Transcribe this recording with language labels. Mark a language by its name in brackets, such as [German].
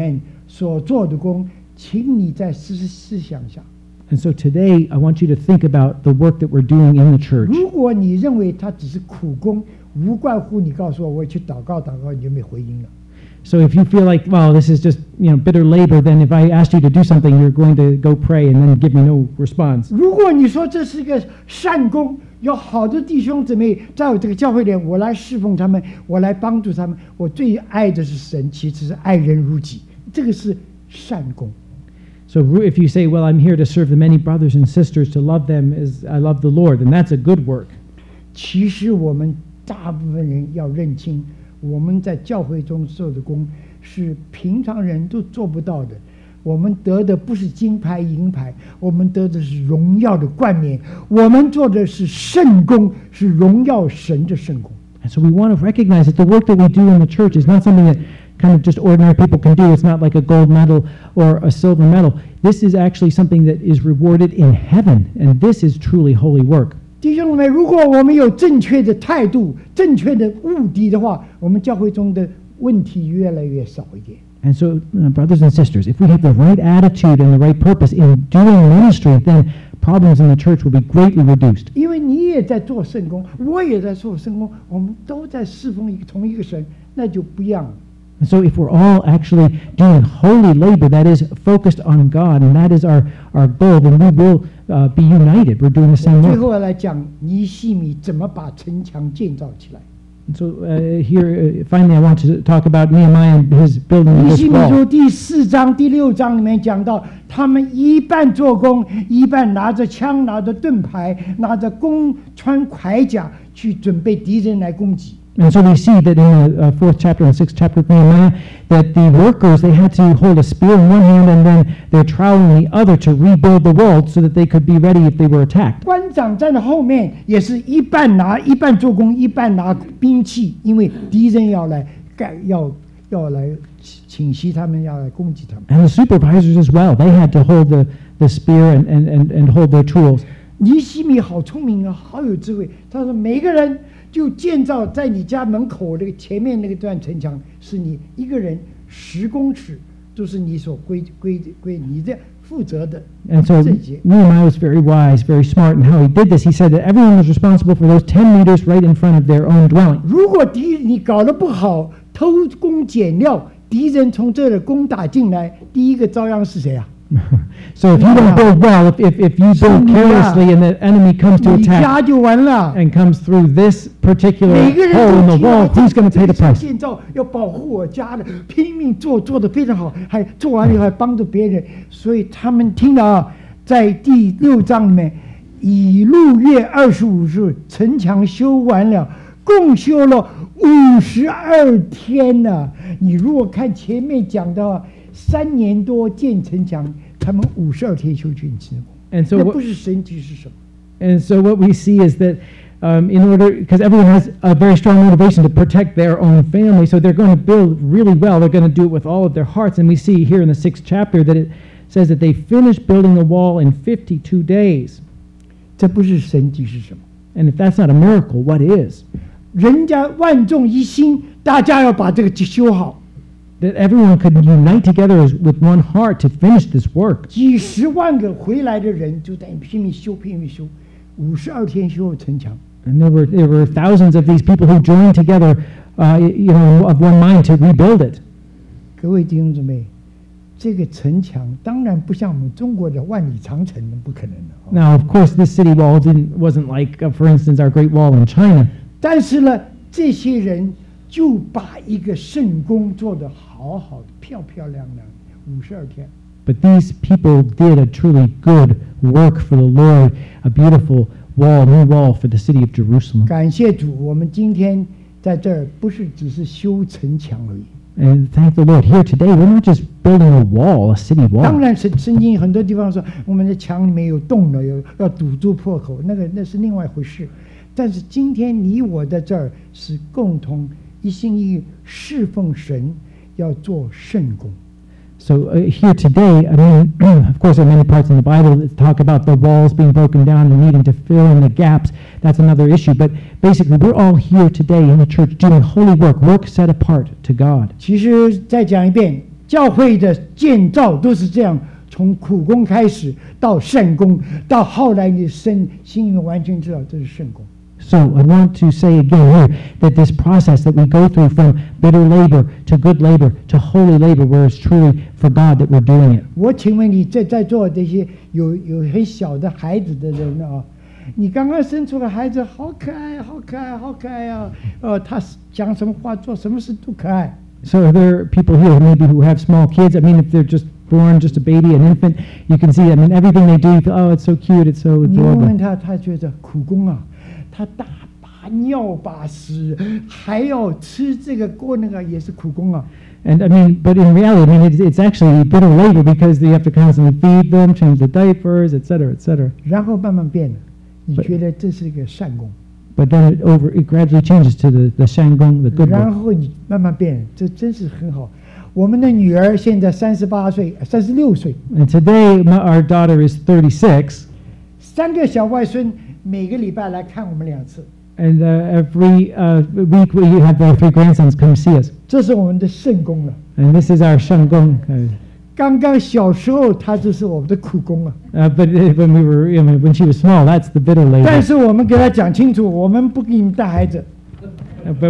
[Chinese] 今天我们在教会里面所做的工, 请你再思想一下。 [English] And so today, I want you to think about the work that we're doing in the church. [Chinese] 如果你认为它只是苦工, 无怪乎你告诉我, 我去祷告祷告, 你就没回应了。 [English] So if you feel like, well, this is just, you know, bitter labor, then if I asked you to do something, you're going to go pray and then give me no response. [Chinese] 如果你说这是个善工, 有好的弟兄姊妹在我这个教会里面, 我来侍奉他们, 我来帮助他们, 我最爱的是神, 其实是爱人如己, 这个是善工。 [English] So if you say, well, I'm here to serve the many brothers and sisters, to love them as I love the Lord, then that's a good work. [Chinese] 其实我们大部分人要认清我们在教会中做的工是平常人都做不到的，我们得的不是金牌银牌，我们得的是荣耀的冠冕，我们做的是圣工，是荣耀神的圣工。 [English] And so we want to recognize that the work that we do in the church is not something that kind of just ordinary people can do. It's not like a gold medal or a silver medal. This is actually something that is rewarded in heaven, and this is truly holy work. [Chinese] 弟兄们，如果我们有正确的态度，正确的目的的话，我们教会中的问题越来越少一点。 [English] And so, brothers and sisters, if we have the right attitude and the right purpose in doing ministry, then problems in the church will be greatly reduced. [Chinese] 因为你也在做圣工，我也在做圣工，我们都在侍奉同一个神，那就不一样了。 [English] And so if we're all actually doing holy labor that is focused on God, and that is our goal, then we will be united. We're doing the same work. [Chinese] 最后要来讲尼希米怎么把城墙建造起来。 [English] So finally, I want to talk about Nehemiah and his building of this wall. [Chinese] 尼希米书第四章第六章里面讲到，他们一半做工，一半拿着枪、拿着盾牌、拿着弓、穿铠甲去准备敌人来攻击。 [English] And so we see that in the fourth chapter and sixth chapter of Nehemiah, that the workers, they had to hold a spear in one hand and then their trowel in the other to rebuild the wall so that they could be ready if they were attacked. [Chinese] 官长站在后面也是一半拿，一半做工，一半拿兵器，因为敌人要来，要来侵袭他们，要来攻击他们。 [English] And the supervisors as well, they had to hold the spear and hold their tools. [Chinese] 尼希米好聪明啊，好有智慧，他说每个人就建造在你家门口那个前面那个段城墙，是你一个人十公尺，都是你所归你的负责的。 [English] And so Nehemiah was very wise, very smart in how he did this. He said that everyone was responsible for those 10 meters right in front of their own dwelling. [Chinese] 如果敌你搞得不好，偷工减料，敌人从这里攻打进来，第一个遭殃是谁啊？ [English] So if you don't build well, if you build carelessly and the enemy comes to attack and comes through this particular hole in the wall, who's going to pay the price? [Chinese] 建造要保护我家的，拼命做，做得非常好，还做完以后还帮助别人。所以他们听了，在第六章里面，以六月二十五日城墙修完了，共修了52天呢。你如果看前面讲的3年多建城墙，他们52天修建城墙，那不是神迹是什么？ [English] And so what we see is that, in order, because everyone has a very strong motivation to protect their own family, so they're going to build really well. They're going to do it with all of their hearts. And we see here in the sixth chapter that it says that they finished building the wall in 52 days. [Chinese] 这不是神迹是什么？ [English] And if that's not a miracle, what is? [Chinese] 人家万众一心，大家要把这个修好。 [English] That everyone could unite together with one heart to finish this work. [Chinese] 几十万个回来的人就在拼命修，拼命修，五十二天修城墙。 [English] And there were thousands of these people who joined together, of one mind to rebuild it. [Chinese] 各位弟兄姊妹，这个城墙当然不像我们中国的万里长城，不可能的。 [English] Now, of course, this city wall wasn't like, for instance, our Great Wall in China. [Chinese] 但是呢，这些人就把一个圣工做得好好的，漂漂亮亮，五十二天。 [English] But these people did a truly good work for the Lord, a beautiful wall, new wall for the city of Jerusalem. [Chinese] 感谢主，我们今天在这儿不是只是修城墙而已。 [English] And thank the Lord, here today we're not just building a wall, a city wall. [Chinese] 当然是圣经很多地方说我们的墙里面有洞了，有要堵住破口，那是另外一回事。但是今天你我在这儿是共同一心一意侍奉神，要做圣工。 [English] So here today, I mean, of course, there are many parts in the Bible that talk about the walls being broken down and needing to fill in the gaps. That's another issue. But basically, we're all here today in the church doing holy work, work set apart to God. [Chinese] 其实再讲一遍，教会的建造都是这样，从苦工开始到圣工，到后来你心里完全知道这是圣工。 [English] So I want to say again here that this process that we go through from bitter labor to good labor to holy labor, where it's truly for God that we're doing it. [Chinese] 我请问你在座这些有很小的孩子的人啊，你刚刚生出的孩子好可爱，好可爱，好可爱啊！他讲什么话，做什么事都可爱。 [English] So there are people here maybe who have small kids. I mean, if they're just born just a baby, an infant. You can see, I mean, everything they do, oh, it's so cute, it's so adorable. [Chinese] 你问他，他觉得苦工啊，他大把尿把屎，还要吃这个过那个，也是苦工啊。 [English] And I mean, but in reality, I mean, it's actually a bit of labor because you have to constantly feed them, change the diapers, et cetera, et cetera. [Chinese] 然后慢慢变，你觉得这是一个善功。 [English] But then it gradually changes to the shangong, the good work. [Chinese] 然后慢慢变，这真是很好。我们的女儿现在38岁，36岁。 [English] And today, our daughter is 36. [Chinese] 三个小外孙每个礼拜来看我们两次。 [English] And every week we have our three grandsons come see us. [Chinese] 这是我们的圣功了。 [English] And this is our shangong. [Chinese] 刚刚小时候，她就是我们的苦工啊。 [English] But when we were, I mean, when she was small, that's the bitter labor. [Chinese] 但是我们给她讲清楚，我们不给你带孩子。 [English] But